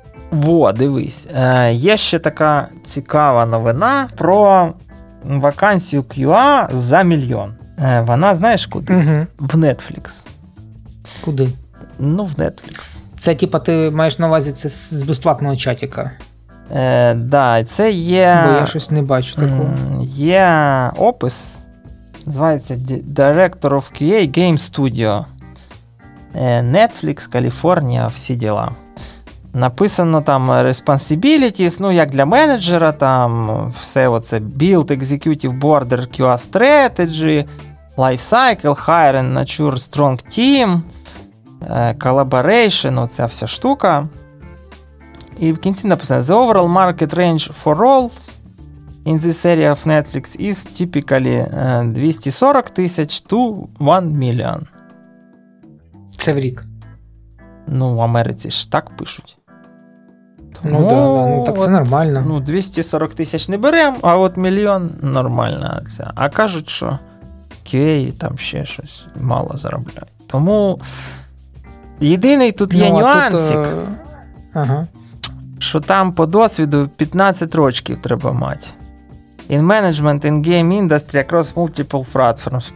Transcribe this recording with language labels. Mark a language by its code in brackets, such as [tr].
[uk] Во, дивись, є ще така цікава новина про вакансію QA за мільйон. Вона, знаєш, куди? Угу. В Netflix. Куди? Ну, в Netflix. Це, типа, ти маєш на увазі, це з безплатного чатіка. Да, це є... Бо я щось не бачу такого. Є опис, називається Director of QA Game Studio. Netflix, Каліфорнія, всі діла. Написано там responsibilities, ну, як для менеджера, там все оце, [en] build, executive, border, QA strategy, life cycle, hire and nurture strong team, collaboration, [uk] оця вся штука. І в кінці написано, [en] the overall market range for roles in this area of Netflix is typically 240 тисяч to 1 million. [uk] Це в рік. Ну, в Америці ж так пишуть. Це нормально. Ну, 240 тисяч не беремо, а от мільйон нормальна ця. А кажуть, що QA там ще щось мало заробляють. Тому Єдиний тут є нюансик. Що там по досвіду 15 рочків треба мати. [en] In management, in game industry, across multiple platforms.